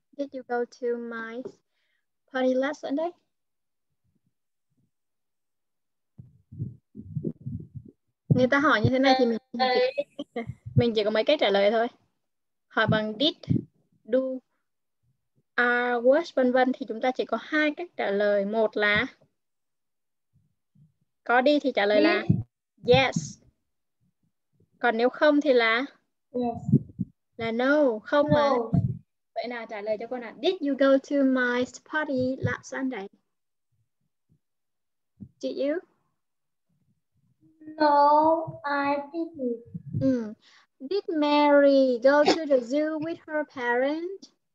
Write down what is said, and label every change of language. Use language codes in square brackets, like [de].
[en] Did you go to my party last Sunday? [vi] Người ta hỏi như thế này thì mình chỉ có mấy cái trả lời thôi. Hỏi bằng did, do, are, was, vân vân thì chúng ta chỉ có hai cách trả lời. Một là có đi thì trả lời là yes. Còn nếu không thì là là no, không [en] no. [vi] Mà vậy nào, trả lời cho con ạ. [en] Did you go to my party last Sunday? Did you? No, I didn't. Did Mary go to the zoo with her parents?